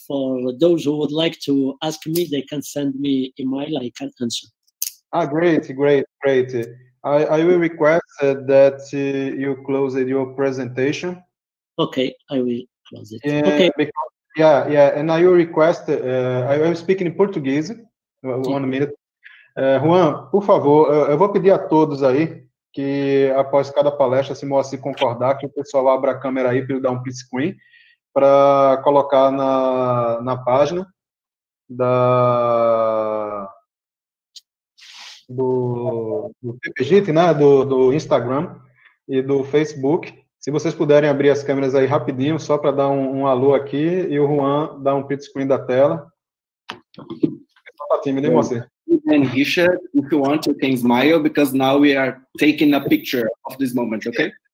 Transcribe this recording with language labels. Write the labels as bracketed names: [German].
[English] For those who would like to ask me, they can send me email. I can answer. Ah, great. I will request that you close your presentation. Okay, I will close it. And I will request, I will speak in Portuguese. One minute. [Portuguese] Juan, por favor, eu vou pedir a todos aí que após cada palestra, se Moacir concordar, que o pessoal abra a câmera aí para ele dar um peace screen, para colocar na página do PPGIT, né? Do Instagram e do Facebook. Se vocês puderem abrir as câmeras aí rapidinho, só para dar um alô aqui, e o Juan dá um pit screen da tela. [English] And Richard, if you want, you can smile, because now we are taking a picture of this moment, okay?